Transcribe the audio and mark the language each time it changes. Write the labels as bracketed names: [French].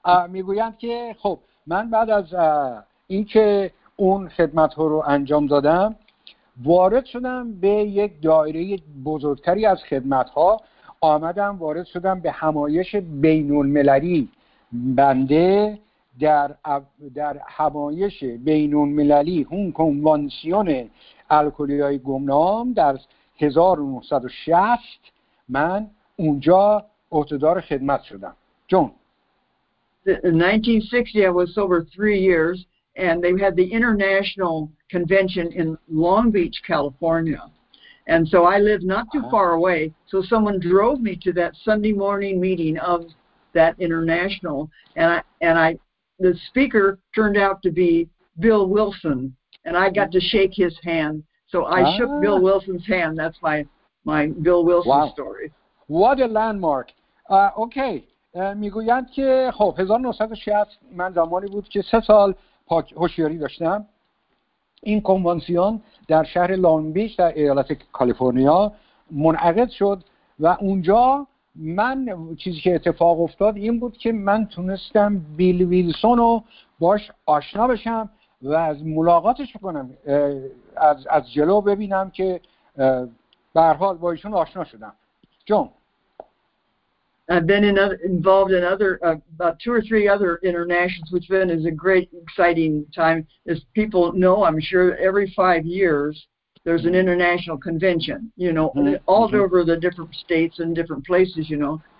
[Persian] میگویند که خب من بعد از اینکه اون خدمت ها رو انجام دادم وارد شدم به یک دایره بزرگتری از خدمت ها، آمدم وارد شدم به همایش بین المللی. بنده در همایش بین المللی هون کنوانسیون الکلی های گمنام در 1960 من اونجا عهده‌دار خدمت شدم. جون. [English] In 1960 I was sober 3 years and they had the international convention in Long Beach, California. And so I lived not too far away, so someone drove me to that Sunday morning meeting of that international, and I the speaker turned out to be Bill Wilson, and I got to shake his hand. So I shook Bill Wilson's hand. That's my Bill Wilson story. What a landmark. Okay. [Persian] میگویند که خب 1960 من زمانی بود که 3 سال هوشیاری داشتم. این کنوانسیون در شهر لانگ بیچ در ایالت کالیفرنیا منعقد شد و اونجا من چیزی که اتفاق افتاد این بود که من تونستم بیل ویلسون رو باش آشنا بشم و از ملاقاتش بکنم، از جلو ببینم که به هر حال با ایشون آشنا شدم. جون. [English] I've been involved in about 2 or 3 other internationals, which then is a great, exciting time. As people know, I'm sure every 5 years there's an international convention, you know, all over the different states and different places, you know.